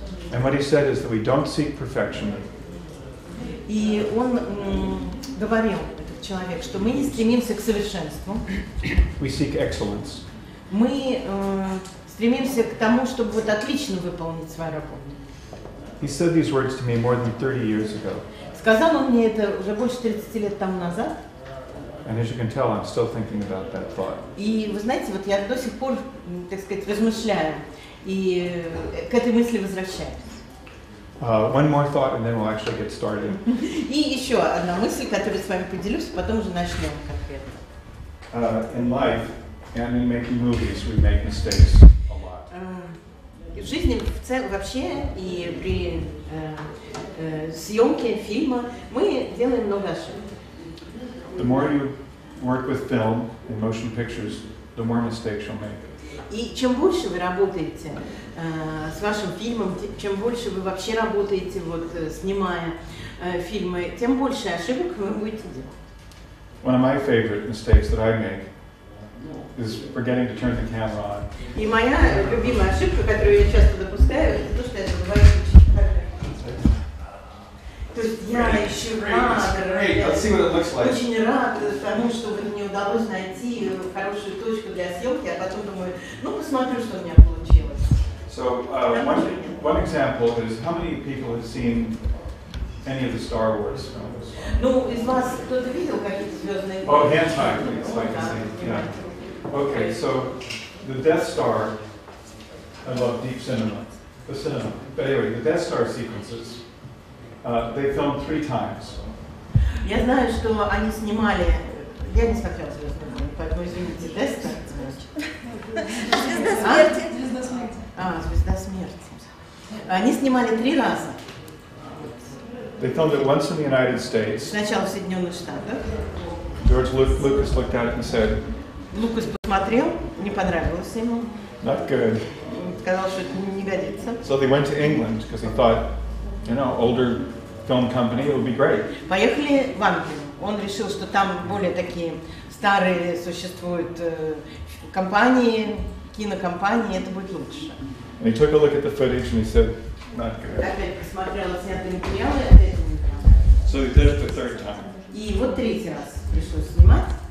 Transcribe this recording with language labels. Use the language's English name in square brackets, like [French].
[English] And what he said is that we don't seek perfection. [Russian] И он говорил, этот человек, что мы не стремимся к совершенству. [English] We seek excellence. [Russian] Мы стремимся к тому, чтобы вот отлично выполнить свою работу. [English] He said these words to me more than 30 years ago. [Russian] Сказал он мне это уже больше 30 лет тому назад. [English] And as you can tell, I'm still thinking about that thought. [Russian] И вы знаете, вот я до сих пор, так сказать, размышляю и к этой мысли возвращаюсь. [English] One more thought, and then we'll actually get started. [Russian] И еще одна мысль, которую с вами поделюсь, потом уже начнем конкретно. [English] In life and in making movies, we make mistakes a lot. [Russian] В жизни в целом вообще и при съемке фильма мы делаем много ошибок. [English] The more you work with film and motion pictures, the more mistakes you'll make. [Russian] И чем больше вы работаете с вашим фильмом, чем больше вы вообще работаете, вот, снимая фильмы, тем больше ошибок вы будете делать. [English] One of my favorite mistakes that I make is forgetting to turn the camera on. [Russian] И моя любимая ошибка, которую я часто допускаю, это то, что я забываю включить камеру. То есть я еще рад, очень рад тому, что мне удалось найти хорошую точку для съемки, а потом думаю, ну посмотрю, что у меня получилось. [English] So one example is how many people have seen any of the Star Wars films? [Russian] Ну, из вас кто-то видел какие-то звездные? [English] Oh, hand time, it's like the same. Yeah. Okay, so the Death Star, I love deep cinema, the cinema, but anyway, the Death Star sequences, they filmed three times. [Russian] Я знаю, что они снимали, я не смотрела «Звезды войны», поэтому извините, «Звезда смерти». «Звезда смерти». Они снимали три раза. [English] They filmed it once in the United States. [Russian] Сначала в Соединенных Штатах. [English] George Lucas looked at it and said, [Russian] Лукас посмотрел, не понравилось ему. [English] Not good. [Russian] Сказал, что это не годится. [English] So they went to England because they thought, you know, older film company, it would be great. [Russian] Поехали в Англию. Он решил, что там более такие старые существуют компании, кинокомпании, это будет лучше. [English] And he took a look at the footage and he said, not good. [Russian] Опять посмотрел снятые материалы, опять не понравилось. [English] So he did it the third time. [Russian] И вот третий раз пришлось снимать.